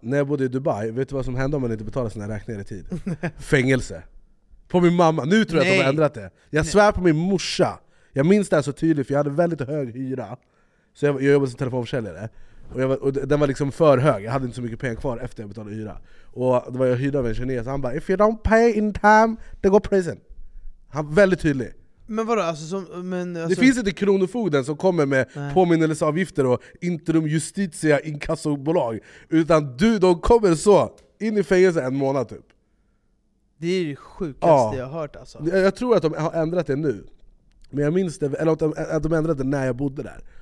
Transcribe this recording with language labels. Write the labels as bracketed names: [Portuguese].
[Swedish] När jag bodde i Dubai, vet du vad som händer om man inte betalar sina räkningar i tid? Fängelse. På min mamma. Nu tror jag att de har ändrat det. Jag svär på min morsa. Jag minns det här så tydligt, för jag hade väldigt hög hyra. Så jag jobbade som telefonförsäljare. Och den var liksom för hög. Jag hade inte så mycket pengar kvar efter jag betalade hyra. Och det var jag hyrde av en kines. Han bara, [English] if you don't pay in time, they go prison. [Swedish] Han var väldigt tydlig. Men vadå? Alltså, det finns inte kronofogden som kommer med påminnelseavgifter och interim justitia inkassobolag. Utan de kommer så in i fängelse en månad typ. Det är det sjukaste jag har hört alltså. Jag tror att de har ändrat det nu. Men jag minns det, eller att de ändrade det när jag bodde där.